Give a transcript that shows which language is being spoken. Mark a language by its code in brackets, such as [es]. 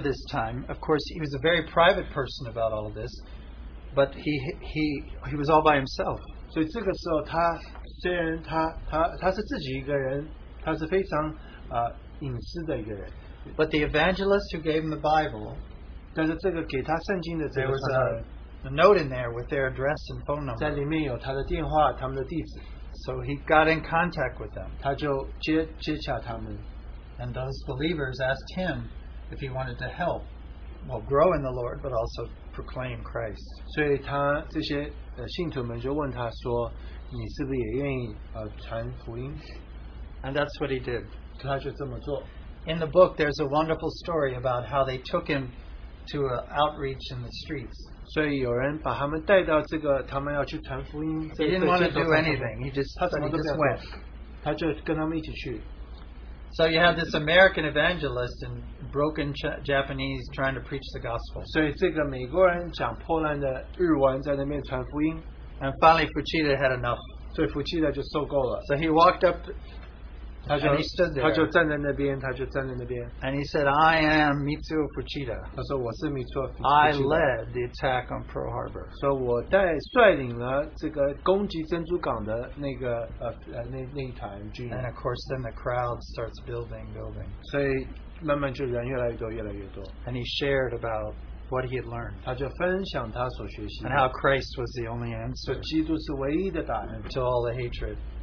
[en] this time, of course, he was a very private person about all of this, but he was all by himself. [zh] 所以这个时候他虽然他是自己一个人，他是非常隐私的一个人。 [en] But the evangelist who gave him the Bible, there was a note in there with their address and phone number. [zh] 在里面有他的电话, [en] so he got in contact with them. [zh] 他就接洽他们, [en] and those believers asked him if he wanted to help, well, grow in the Lord, but also proclaim Christ. [zh] 所以他这些信徒们就问他说, 你是不是也愿意传福音? [en] And that's what he did. [zh] 他就这么做。 [en] In the book, there's a wonderful story about how they took him to an outreach in the streets. [zh] 所以有人把他们带到这个他们要去传福音, [en] he didn't want to do anything. He just went. So you have this American evangelist in broken Japanese trying to preach the gospel. [zh] 所以这个美国人讲破烂的日文在那边传福音, [en] and finally Fuchida had enough. [zh] 所以福气的就受够了。 [en] So he walked up, [zh] 他就, [en] and he stood there. [zh] 他就站在那边, 他就站在那边, [en] and he said, I am Mitsuo Fuchida. [zh] 他说, [en] I led the attack on Pearl Harbor. [zh] 所以我带率领了这个攻击珍珠港的那个, [en] and of course then the crowd starts building. [zh] 所以慢慢就人越来越多, [en] and he shared about what he had learned. [zh] 他就分享他所学习的, [en] and how Christ was the only answer. [zh] 基督是唯一的答案, [en] to all the hatred.